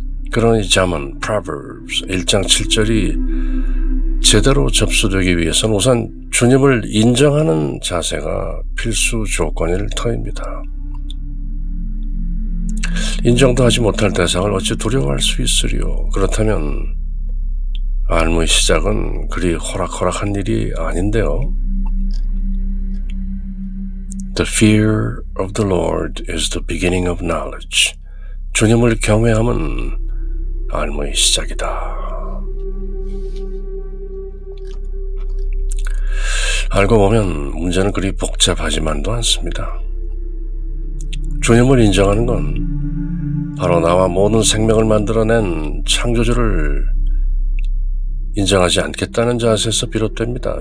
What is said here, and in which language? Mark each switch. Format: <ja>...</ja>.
<ko>그러니 잠언 Proverbs 1장 7절이 제대로 접수되기 위해서는 우선 주님을 인정하는 자세가 필수 조건일 터입니다. 인정도 하지 못할 대상을 어찌 두려워할 수 있으리요. 그렇다면 알무의 시작은 그리 호락호락한 일이 아닌데요.</ko> <en>The fear of the Lord is the beginning of knowledge.</en> <ko>주님을 경외함은 알무의 시작이다. 알고 보면 문제는 그리 복잡하지만도 않습니다. 주님을 인정하는 건 바로 나와 모든 생명을 만들어낸 창조주를 인정하지 않겠다는 자세에서 비롯됩니다.</ko>